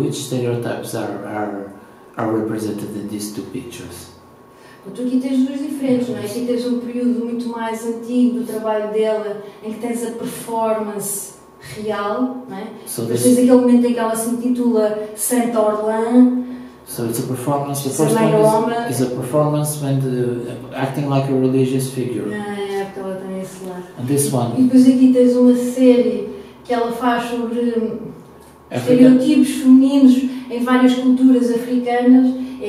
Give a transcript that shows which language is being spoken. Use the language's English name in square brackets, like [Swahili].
[English] Which stereotypes are represented in these two pictures? [Portuguese] Tu aqui tens duas diferentes, não é? Aqui tens um período muito mais antigo do trabalho dela, em que tens a performance real, não é? [English] So [Portuguese] depois tens aquele momento em que ela se intitula Saint Orlan. [English] So it's a performance, the first one is a performance when the, acting like a religious figure. [Portuguese] É, porque ela tem esse lado. [English] And this one. [Portuguese] E depois aqui tens uma série que ela faz sobre estereotipos femininos em várias culturas africanas.